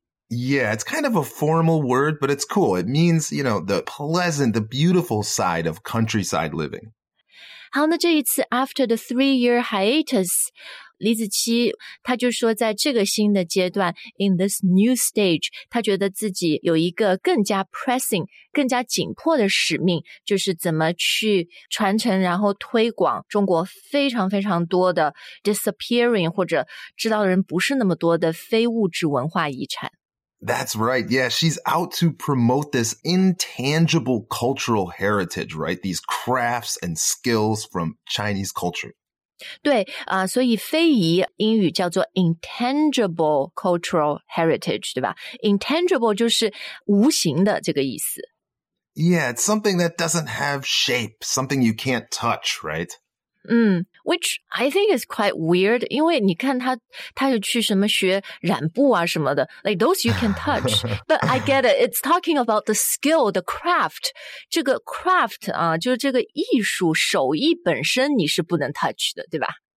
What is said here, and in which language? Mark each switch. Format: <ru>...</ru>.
<en>Yeah, it's kind of a formal word, but it's cool. It means, you know, the pleasant, the beautiful side of countryside living.</en> <zh>好，那这一次</zh> <en>after the three-year hiatus,</en> <zh>李子柒他就说在这个新的阶段</zh> <en>in this new stage,</en> <zh>他觉得自己有一个更加 pressing, 更加紧迫的使命，就是怎么去传承然后推广中国非常非常多的 disappearing, 或者知道的人不是那么多的非物质文化遗产。</zh> <en>That's right. Yeah, she's out to promote this intangible cultural heritage, right? These crafts and skills from Chinese culture.</en> <zh>对，所以非遗英语叫做 intangible cultural heritage, 对吧？ Intangible 就是无形的这个意思。</zh> <en>Yeah, it's something that doesn't have shape, something you can't touch, right? Which I think is quite weird,</en> <zh>因为你看他又去什么学染布啊什么的</zh> <en>like those you can touch, but I get it, it's talking about the skill, the craft,</en> <zh>这个 craft 啊就是这个艺术手艺本身你是不能 touch 的对吧</zh>